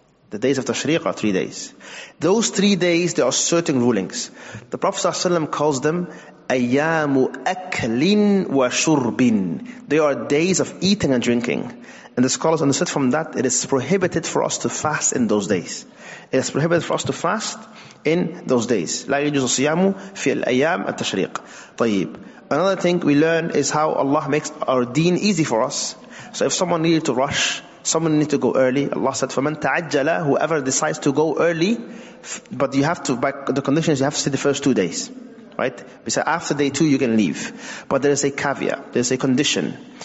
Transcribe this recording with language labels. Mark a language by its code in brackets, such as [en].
[en] The days of Tashriq are 3 days. Those 3 days, there are certain rulings. The Prophet ﷺ calls them [ar] أَيَّامُ أَكْلٍ وَشُرْبٍ. [en] They are days of eating and drinking. And the scholars understood from that it is prohibited for us to fast in those days. It is prohibited for us to fast in those days. [ar] لا يجوز صيام في الأيام التشريق. طيب. [en] Another thing we learn is how Allah makes our deen easy for us. So if someone needed to rush, someone needed to go early, Allah said, [ar] فَمَنْ تَعَجَّلَ, [en] whoever decides to go early, but you have to, by the conditions, you have to stay the first 2 days. Right? We said after day two, you can leave. But there is a caveat, there is a condition.